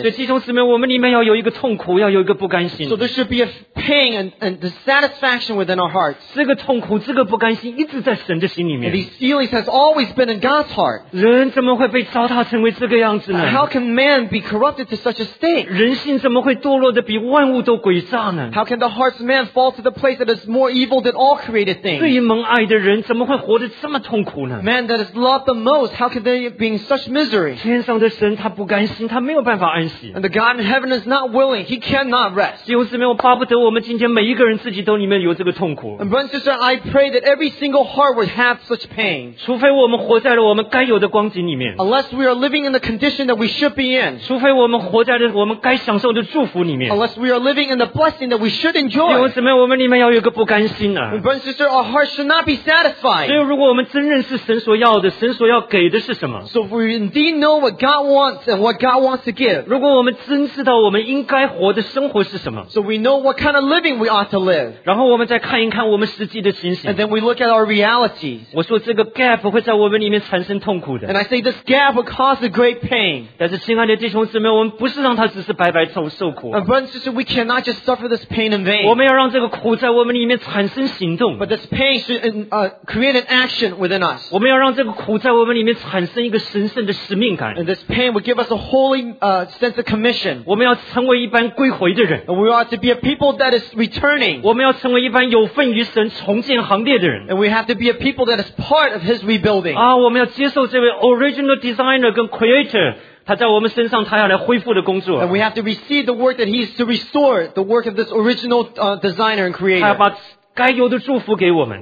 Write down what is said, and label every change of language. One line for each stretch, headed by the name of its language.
Chinese: 所以弟兄姊妹我们里面要有一个痛苦要有一个不甘心
English: So there should be a pain and dissatisfaction within our hearts
Chinese: 这个痛苦这个不甘心一直在神的心里面
English: And these feelings has always been in God's heart
Chinese: 人怎么会被糟蹋成为这个样子呢
English: How can man be corrupted to such a state
Chinese: 人心怎么会堕落得比万物都诡诈呢
English: How can the hearts of man fall to the place that is more evil than all created things
Chinese: 最蒙爱的人人怎么会活得这么痛苦呢
English: Man that is loved the most, how can they be in such misery?
Chinese: 天上的神他不甘心他没有办法安息
English: And the God in heaven is not willing, he cannot rest.
Chinese: 弟兄姊妹我巴不得我们今天每一个人自己都里面有这个痛苦
English: And brothers and sisters, I pray that every single heart would have such pain.
Chinese: 除非我们活在了我们该有的光景里面
English: Unless we are living in the condition that we should be in.
Chinese: 除非我们活在了我们该享受的祝福里面
English: Unless we are living in the blessing that we should enjoy.
Chinese: 弟兄姊妹我们里面要有个不甘心啊
English: And brothers and sisters, our heart should not be satisfied.
Chinese: 所以如果我们真认识神所要的神所要给的是什么
English: So if we indeed know what God wants and what God wants to give
Chinese: 如果我们真知道我们应该活的生活是什么
English: So we know what kind of living we ought to live
Chinese: 然后我们再看一看我们实际的情形
English: And then we look at our realities
Chinese: 我说这个 gap 会在我们里面产生痛苦的
English: And I say this gap will cause a great pain
Chinese: 但是亲爱的弟兄姊妹我们不是让它只是白白受苦
English: And brothers and sisters we cannot just suffer this pain in vain
Chinese: 我们要让这个苦在我们里面产生行动
English: But this pain should create an action within us.
Chinese: 我们要让这个苦在我们里面产生一个神圣的使命感。
English: And this pain will give us a holy sense of commission.
Chinese: 我们要成为一般归回的人。
English: And we ought to be a people that is returning.
Chinese: 我们要成为一般有份于神重建行列的人。
English: And we have to be a people that is part of his rebuilding.
Chinese: 我们要接受这位
English: original designer
Chinese: 跟 creator。他在我们身上他要来恢复的工作
English: And we have to receive the work that he is to restore the work of this original designer and creator.
Chinese: 他要把该有的祝福给我们